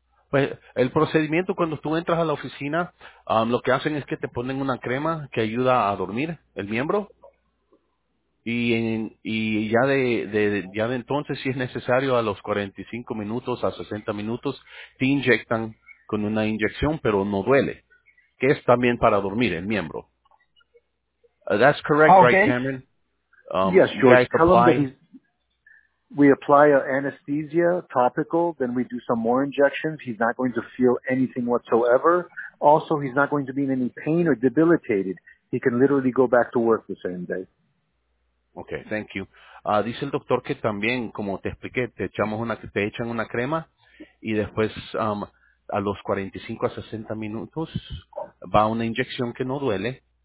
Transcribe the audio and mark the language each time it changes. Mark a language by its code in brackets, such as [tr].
[es] Pues el procedimiento, cuando tú entras a la oficina, lo que hacen es que te ponen una crema que ayuda a dormir el miembro, y ya de entonces, si es necesario, a los 45 minutos, a 60 minutos, te inyectan con una inyección, pero no duele, que es también para dormir el miembro. [en] That's correct, okay. Right, Cameron? Yes, George, tell them that we apply an anesthesia topical, then we do some more injections. He's not going to feel anything whatsoever. Also, he's not going to be in any pain or debilitated. He can literally go back to work the same day. Okay, thank you. [es] Dice el doctor que también, como te expliqué, te echan una crema, y después a los 45 a 60 minutos va una inyección que no duele,